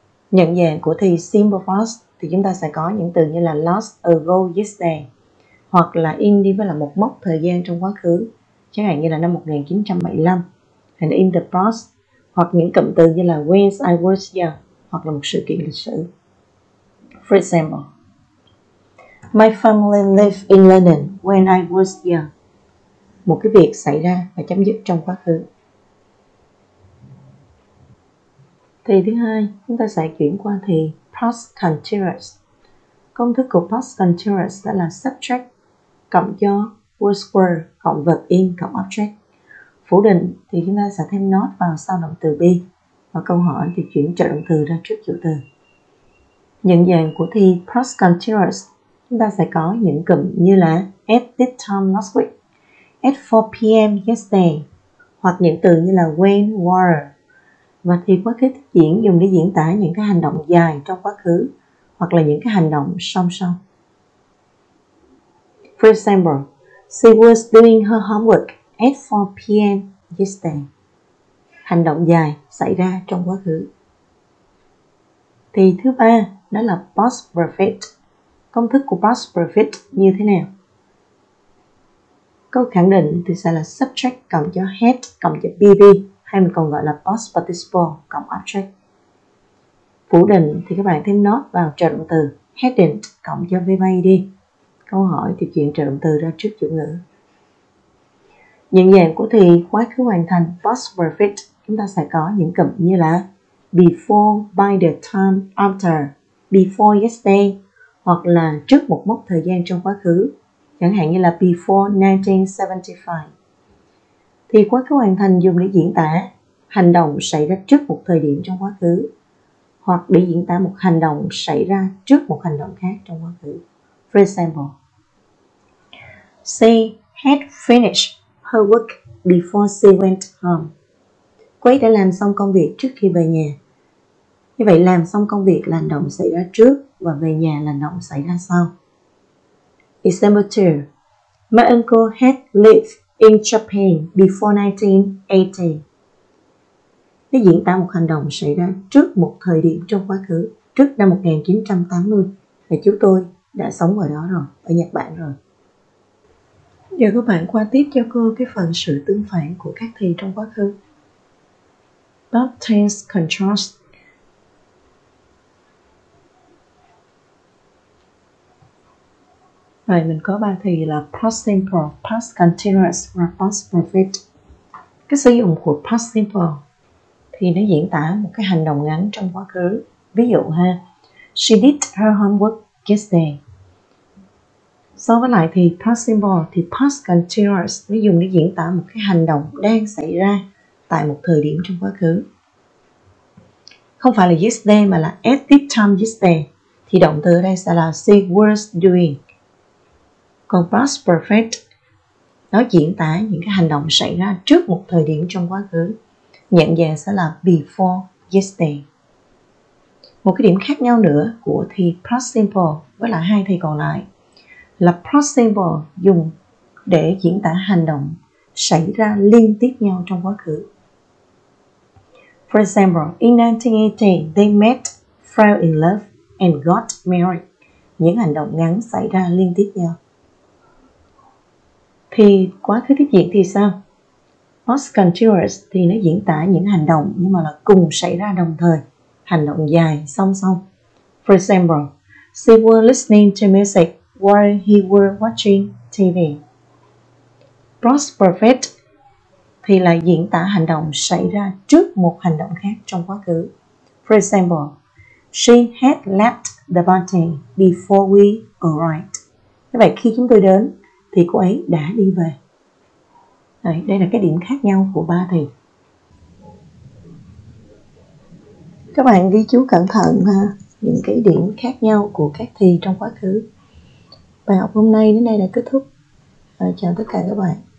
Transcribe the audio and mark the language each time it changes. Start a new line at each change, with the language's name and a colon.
Vietnamese: Nhận dạng của thì simple past thì chúng ta sẽ có những từ như là lost ago yesterday hoặc là in đi với là một mốc thời gian trong quá khứ, chẳng hạn như là năm 1975,
English: and in the past,
Vietnamese: hoặc những cụm từ như là
English: when I was young,
Vietnamese: hoặc là một sự kiện lịch sử.
English: For example, my family lived in London when I was young.
Vietnamese: Một cái việc xảy ra và chấm dứt trong quá khứ. Thì thứ hai, chúng ta sẽ chuyển qua thì past continuous. Công thức của past continuous đó là subject cộng cho was were cộng verb in cộng object. Phủ định thì chúng ta sẽ thêm not vào sau động từ be và câu hỏi thì chuyển trợ động từ ra trước chủ từ. Nhận dạng của thì past continuous chúng ta sẽ có những cụm như là
English: at this time last week,
Vietnamese: at 4 p.m. yesterday hoặc những từ như là when, were. Và thì quá khứ thực diễn dùng để diễn tả những cái hành động dài trong quá khứ hoặc là những cái hành động song song.
English: For example, she was doing her homework at 4 p.m. yesterday.
Vietnamese: Hành động dài xảy ra trong quá khứ. Thì thứ ba, đó là past perfect. Công thức của past perfect như thế nào? Câu khẳng định thì sẽ là subject cộng cho had cộng cho be, hay mình còn gọi là past participle cộng object. Phủ định thì các bạn thêm not vào trợ động từ hadn't cộng cho V2ED. Câu hỏi thì chuyển trợ động từ ra trước chủ ngữ. Nhận dạng của thì quá khứ hoàn thành past perfect chúng ta sẽ có những cụm như là before, by the time, after,
English: before yesterday
Vietnamese: hoặc là trước một mốc thời gian trong quá khứ, chẳng hạn như là
English: before 1975.
Vietnamese: Thì quá khứ hoàn thành dùng để diễn tả hành động xảy ra trước một thời điểm trong quá khứ hoặc để diễn tả một hành động xảy ra trước một hành động khác trong quá khứ.
English: For example, she had finished her work before she went home.
Vietnamese: Cô ấy đã làm xong công việc trước khi về nhà. Như vậy làm xong công việc là hành động xảy ra trước và về nhà là hành động xảy ra sau.
English: Example 2. My uncle had lived in Japan before 1980.
Vietnamese: Nó diễn tả một hành động xảy ra trước một thời điểm trong quá khứ, trước năm 1980. Và chú tôi đã sống ở đó rồi, ở Nhật Bản rồi. Giờ các bạn qua tiếp cho cô cái phần sự tương phản của các thì trong quá khứ.
English: Past tense contrast.
Vietnamese: Rồi mình có ba thì là past simple, past continuous và past perfect. Cái sử dụng của past simple thì nó diễn tả một cái hành động ngắn trong quá khứ. Ví dụ ha,
English: she did her homework yesterday.
Vietnamese: So với lại thì past simple thì past continuous nó dùng để diễn tả một cái hành động đang xảy ra tại một thời điểm trong quá khứ. Không phải là yesterday mà là
English: at this time yesterday.
Vietnamese: Thì động từ ở đây sẽ là
English: she was doing.
Vietnamese: Còn past perfect nó diễn tả những cái hành động xảy ra trước một thời điểm trong quá khứ. Nhận dạng sẽ là
English: before yesterday.
Vietnamese: Một cái điểm khác nhau nữa của thì past simple với lại hai thì còn lại là past simple dùng để diễn tả hành động xảy ra liên tiếp nhau trong quá khứ.
English: For example, in 1980, they met, fell in love, and got married.
Vietnamese: Những hành động ngắn xảy ra liên tiếp nhau. Thì quá khứ tiếp diễn thì sao? Past continuous thì nó diễn tả những hành động nhưng mà là cùng xảy ra đồng thời, hành động dài, song song.
English: For example, she was listening to music while he was watching TV.
Vietnamese: Past perfect thì là diễn tả hành động xảy ra trước một hành động khác trong quá khứ.
English: For example, She had left the party before we arrived.
Vietnamese: Như vậy khi chúng tôi đến thì cô ấy đã đi về. Đấy, đây là cái điểm khác nhau của ba thì. Các bạn ghi chú cẩn thận ha, những cái điểm khác nhau của các thì trong quá khứ. Bài học hôm nay đến đây là kết thúc. Chào tất cả các bạn.